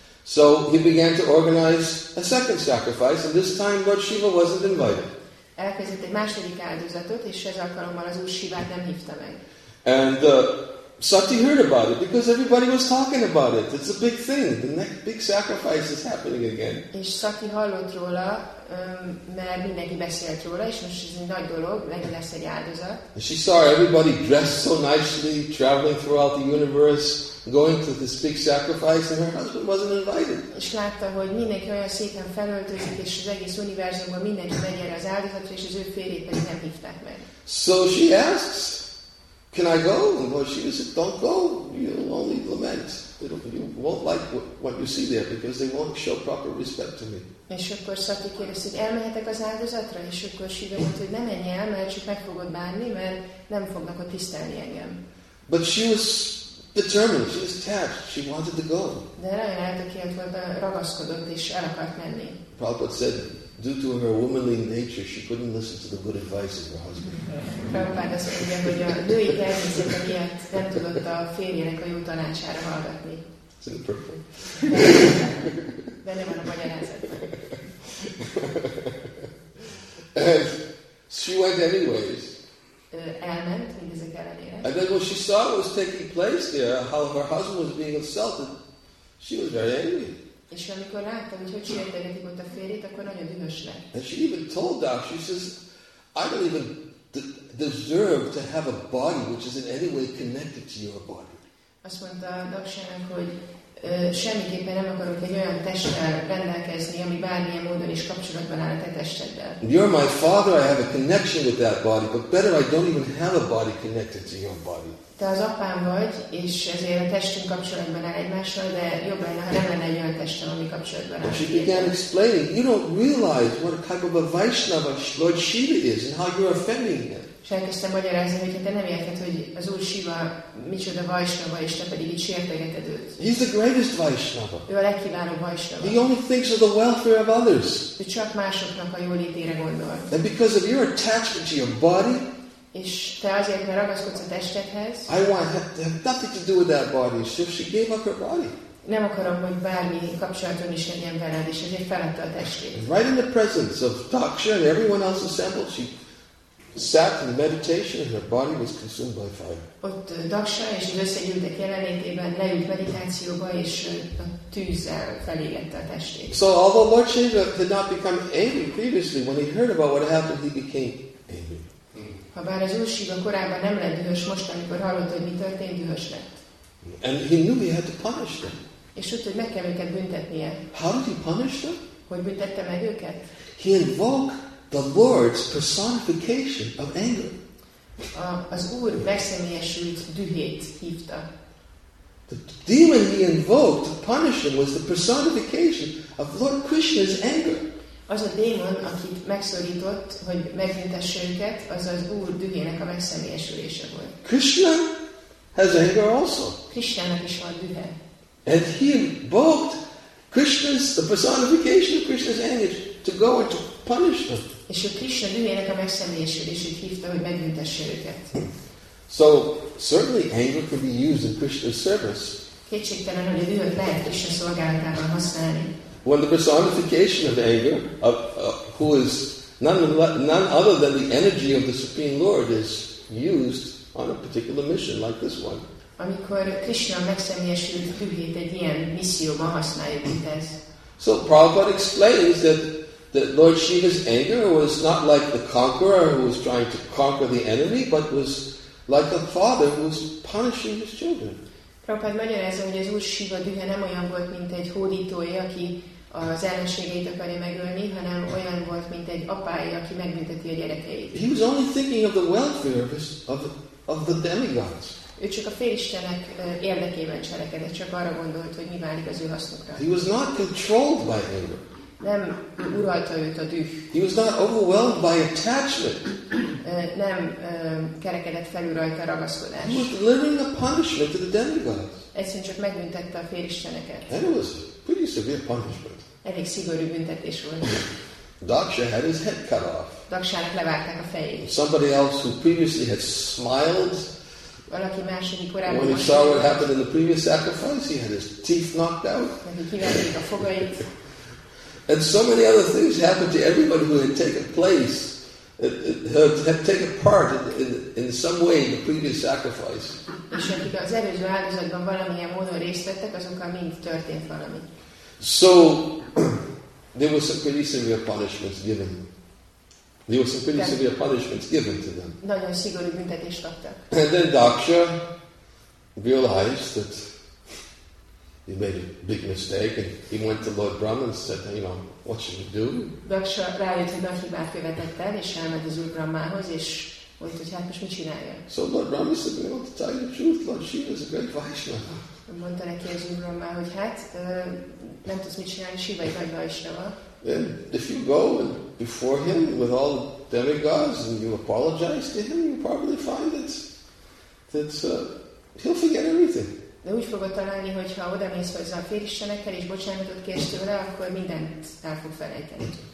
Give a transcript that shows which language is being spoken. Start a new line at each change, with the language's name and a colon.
English: So he began to organize a second sacrifice, and this time Lord Shiva wasn't invited.
Hungarian: Elkezdett egy második áldozatot, és ez alkalommal az Úr Shivát nem hívta meg.
English: And Sati heard about it because everybody was talking about it. It's a big thing. The next big sacrifice is happening again.
Hungarian: És Sati hallott róla, mert mindenki beszélt róla, és most ez egy nagy dolog, megint lesz egy áldozat.
English: And she saw everybody dressed so nicely, traveling throughout the universe, going to this big sacrifice, and her husband wasn't invited.
Hungarian: És látta, hogy mindenki olyan szépen felöltözik, és az egész univerzumban mindenki megy erre az áldozatra, és az ő férjét pedig nem hívták meg.
English: So she asks, can I go? And Lord Shiva said, don't go. You'll only lament. You won't like what you see there because they won't show proper respect to me.
Hungarian: És akkor Sati kérdezi, hogy elmehetek az áldozatra? És akkor Shiva mondta, hogy ne menj el, mert csak meg fogod bánni, mert nem fognak ott tisztelni engem.
English: But she was determined. She was attached. She wanted to go.
Hungarian: De nagyon eltökélt volt, ragaszkodott és el akart menni.
English: Prabhupada said, due to her womanly nature, she couldn't listen to the good advice of her husband.
Hungarian: Prabhupada azt mondja, hogy a női természet miatt nem tudott a férjének a jó tanácsára hallgatni.
English: Is it perfect?
Hungarian: Benne van a magyarázat.
English: And she went anyways.
Hungarian: Elment mindezek ellenére.
English: And then what she saw was taking place there, how her husband was being insulted, she was very angry.
Hungarian: És amikor láttam, hogy hogy sértegetik ott a férjét, akkor nagyon dühös lett.
English: And she even told that. She says, I don't even deserve to have a body which is in any way connected to your body.
Hungarian: Azt mondta Daksának, hogy semmiképpen nem akarok egy olyan testtel rendelkezni, ami bármilyen módon is kapcsolatban áll a te testeddel.
English: You're my father, I have a connection with that body, but better I don't even have a body connected to your body.
Hungarian: Te az apám vagy, és ezért a testünk kapcsolatban áll egymással, de jobb lenne, ha nem lenne egy olyan testem, ami kapcsolatban áll.
English: And she began explaining, you don't realize what a type of a Vaishnava Lord Shiva is, and how you're offending him.
Hungarian: És elkezdtem magyarázni, hogy te nem érted, hogy az Úr Shiva micsoda Vaishnava, és te pedig így sértegeted őt.
English: He's the greatest Vaishnava.
Hungarian: Ő a legkiválóbb Vaishnava.
English: He only thinks of the welfare of others.
Hungarian: Ő csak másoknak a jólétére gondol.
English: And because of your attachment to your body,
Hungarian: és te azért, mert ragaszkodsz a testedhez,
English: I want to have nothing to do with that body. So she gave up her body.
Hungarian: Nem akarom, hogy bármi kapcsolatom is legyen veled, és ezért feladta a testét.
English: And right in the presence of Daksha and everyone else assembled, she sat in meditation and her body was consumed by fire.
Hungarian: Ott Daksha és az összegyűltek jelenlétében leült meditációba, és a tűzzel felégette a testét.
English: So although Lord Shiva did not become angry previously, when he heard about what happened, he became angry.
Hungarian: Ha bár az Úr Shiva korábban nem lett dühös, most, amikor hallott, hogy mi történt, dühös lett.
English: And he knew he had to punish them.
Hungarian: És tudta, hogy meg kell őket büntetnie.
English: How did he punish them?
Hungarian: Hogy büntette meg őket?
English: He invoked the Lord's personification of anger.
Hungarian: Az Úr megszemélyesült dühét hívta.
English: The demon he invoked to punish him was the personification of Lord Krishna's anger.
Hungarian: Az a démon, akit megszorított, hogy megvintesse őket, az az Úr dühének a megszemélyesülése volt.
English: Krishna has anger also.
Hungarian: Krishnának is van dühe.
English: And he invoked Krishna's, the personification of Krishna's anger, to go and to punish them.
Hungarian: És a Krishna dühének a megszemélyesülését hívta, hogy megvintesse őket.
English: So, certainly anger could be used in Krishna's service.
Hungarian: Kétségtelen, hogy a dühöt lehet Krishna szolgálatában használni.
English: When the personification of anger, who is none other than the energy of the Supreme Lord, is used on a particular mission like this one.
Hungarian: Amikor Krishna megszemélyesült dühét egy ilyen misszióban használjuk, mint ez.
English: So Prabhupada explains that Lord Shiva's anger was not like the conqueror who was trying to conquer the enemy, but was like the father who was punishing his children.
Hungarian: Prabhupada magyarázza, hogy az Úr Shiva dühe nem olyan volt, mint egy hódítói, aki az ellenségeit akarja megölni, hanem olyan volt, mint egy apái, aki megbünteti a gyerekeit.
English: He was only thinking of the welfare of the demigods.
Hungarian: Ő csak a félistenek érdekében cselekedett, csak arra gondolt, hogy mi válik az ő hasznukra.
English: He was not controlled by anger.
Hungarian: Nem uralta őt a düh.
English: He was not overwhelmed by attachment.
Hungarian: Nem kerekedett felül rajta a ragaszkodás.
English: He was delivering the punishment to the demigods.
Hungarian: Egyszerűen csak megbüntette a félisteneket.
English: That was pretty severe punishment.
Hungarian: Elég szigorú büntetés volt.
English: Daksha had his head cut off.
Hungarian: Daksának levágták a fejét.
English: Somebody else who previously had smiled.
Hungarian: Valaki más, aki korábban.
English: When he saw what happened in the previous sacrifice, he had his teeth knocked out.
Hungarian: Kivették a fogait.
English: And so many other things happened to everybody who had taken place, had taken part in some way in the previous sacrifice.
Hungarian: És akik az előző áldozatban valamilyen módon részt vettek, azokkal mind történt valami.
English: So there was some pretty severe punishments given. There was some pretty severe punishments given to them.
Hungarian: Nagyon szigorú büntetést kaptak.
English: And then Daksha realized that he made a big mistake, and he went to Lord Brahma and said, "You know, what should we do?"
Hungarian: Daksha rájött, hogy nagy hibát követett el, és elment az Úr Brahmához, és mondta, hogy hát most mit csináljon?
English: So Lord Brahma said, "You know, to tell you the truth, Lord Shiva is a great Vaishnava."
Hungarian: Mondta neki az Úr Brahma, hogy hát nem tudsz mit csinálni, Shiva egy nagy Vaishnava.
English: And if you go and before him with all the demigods and you apologize to him, you probably find that he'll forget everything.
Hungarian: De úgy fogod találni, hogy ha oda mész hozzá a félistenekkel és bocsánatot kérsz tőle, akkor mindent el fog felejteni.